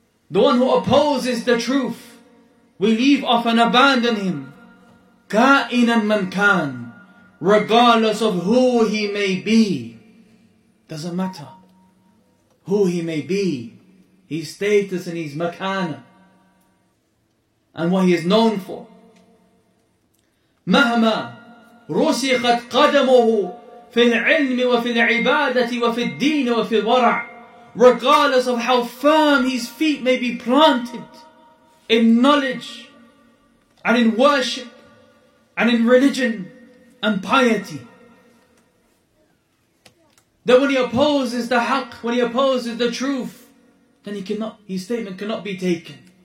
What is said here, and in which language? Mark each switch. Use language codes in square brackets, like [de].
[en] The one who opposes the truth. We leave off and abandon him. [ar] كَائِنًا مَنْ كَانَ. [en] Regardless of who he may be. Doesn't matter who he may be, his status and his makana, and what he is known for. [ar] مهما رسخت قدمه في العلم وفي العبادة وفي الدين وفي الورع. [en] Regardless of how firm his feet may be planted in knowledge and in worship and in religion and piety. That when he opposes the haqq, when he opposes the truth, then his statement cannot be taken.